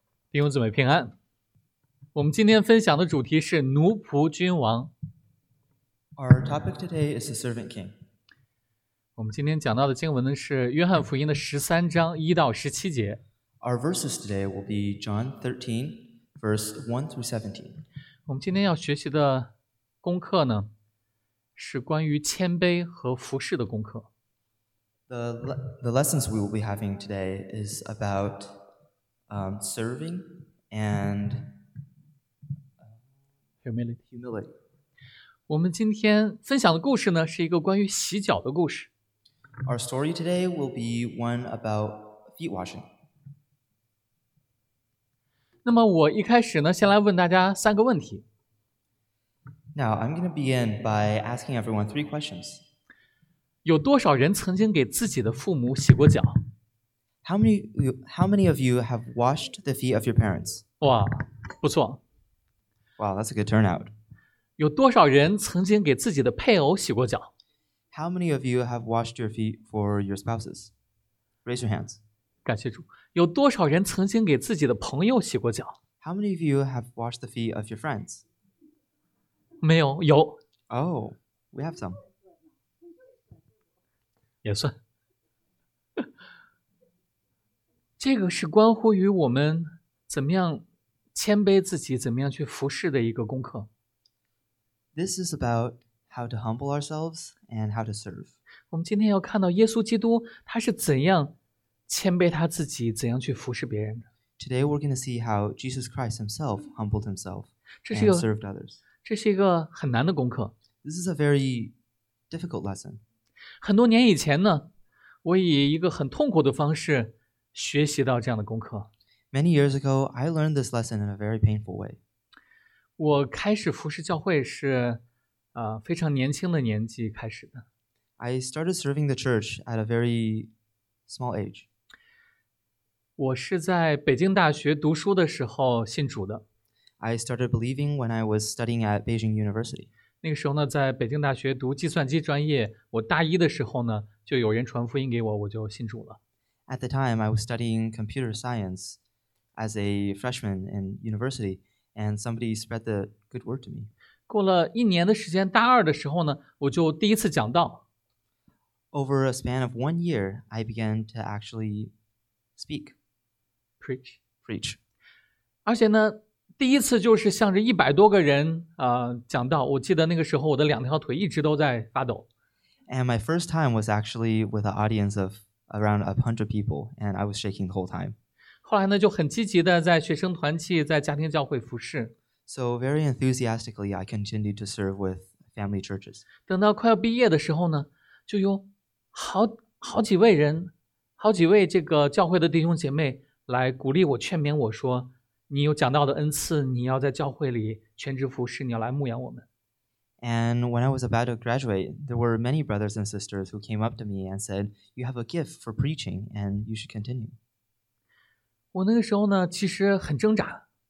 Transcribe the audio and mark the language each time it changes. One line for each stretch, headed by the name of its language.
Chinese: 弟兄姊妹平安，我们今天分享的主题是奴仆君王。
English: Our topic today is the servant king.
Chinese: 我们今天讲到的经文呢是约翰福音的13章1到17节。
English: Our verses today will be John 13, verse 1 through 17.
Chinese: 我们今天要学习的功课呢，是关于谦卑和服侍的功课。
English: The lessons we will be having today is about serving and humility.
Chinese: 我们今天分享的故事呢，是一个关于洗脚的故事。
English: Our story today will be one about feet washing.
Chinese: 那么我一开始呢，先来问大家三个问题。
English: Now I'm going to begin by asking everyone three questions.
Chinese: 有多少人曾经给自己的父母洗过脚？
English: How many of you have washed the feet of your parents?
Chinese: 哇，不错。
English: Wow, that's a good turnout. 有多少人曾经给自己的配偶洗过脚？ How many of you have washed your feet for your spouses? Raise your hands.
Chinese: 感谢主。有多少人曾经给自己的朋友洗过脚？
English: How many of you have washed the feet of your friends?
Chinese: 没有，有。
English: Oh, we have some.
Chinese: 也算。这个是关乎于我们怎么样谦卑自己，怎么样去服侍的一个功课。
English: This is about how to humble ourselves and how to serve.
Chinese: 我们今天要看到耶稣基督他是怎样谦卑他自己，怎样去服侍别人的。
English: Today we're going to see how Jesus Christ himself humbled himself and served others.
Chinese: 这是一个很难的功课。
English: This is a very difficult lesson.
Chinese: 很多年以前呢，我以一个很痛苦的方式学习到这样的功课。
English: Many years ago, I learned this lesson in a very painful way.
Chinese: 我开始服侍教会是非常年轻的年纪开始的。
English: I started serving the church at a very small age.
Chinese: 我是在北京大学读书的时候信主的。
English: I started believing when I was studying at Beijing University.
Chinese: 那个时候呢，在北京大学读计算机专业，我大一的时候呢，就有人传福音给我，我就信主了。
English: At the time, I was studying computer science as a freshman in university, and somebody spread the good word to me.
Chinese: 过了一年的时间，大二的时候呢，我就第一次讲道。
English: Over a span of 1 year, I began to actually speak. Preach.
Chinese: 而且呢，第一次就是向着100多个人讲道。我记得那个时候，我的两条腿一直都在发抖。
English: And my first time was actually with an audience of around 100 people, and I was shaking the whole time.
Chinese: 后来呢，就很积极的在学生团契、在家庭教会服侍。
English: So very enthusiastically, I continued to serve with family churches.
Chinese: 等到快要毕业的时候呢，就有好几位人，好几位这个教会的弟兄姐妹来鼓励我、劝勉我说：“你有讲道的恩赐，你要在教会里全职服侍，你要来牧养我们。”
English: And when I was about to graduate, there were many brothers and sisters who came up to me and said, "You have a gift for preaching, and you should continue."
Chinese: 我那个时候呢，其实很挣扎。